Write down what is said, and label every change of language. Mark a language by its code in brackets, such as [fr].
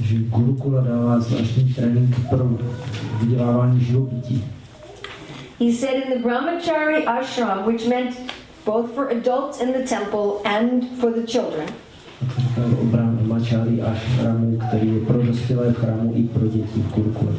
[cs] Gurukula dává zvláštní trénink pro vydělávání živobytí. [en] He said in the Brahmachari ashram, which meant both for adults in the temple and for the children. [cs] Brahmachari ashramu, který je pro dospělé v chrámu i pro děti v Gurukule.